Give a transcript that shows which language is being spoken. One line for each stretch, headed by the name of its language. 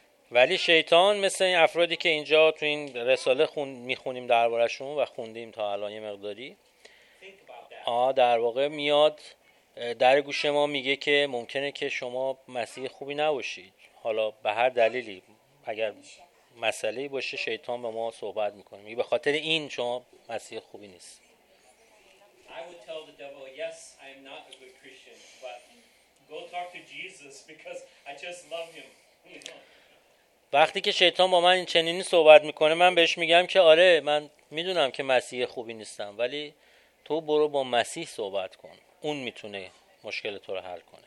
Persian: ولی شیطان مثل این افرادی که اینجا تو این رساله میخونیم درباره شون و خوندیم تا الان یه مقداری، در واقع میاد در گوش ما میگه که ممکنه که شما مسیح خوبی نباشید، حالا به هر دلیلی اگر مسئله باشه شیطان به ما صحبت میکنه، میگه به خاطر این شما مسیح خوبی نیست.
English: I would tell the devil, yes, I am not a good Christian, but go talk to Jesus because I just love him.
Persian: وقتی که شیطان با من این چنینی صحبت میکنه من بهش میگم که آره من میدونم که مسیح خوبی نیستم، ولی تو برو با مسیح صحبت کن، اون میتونه مشکل تو رو حل کنه.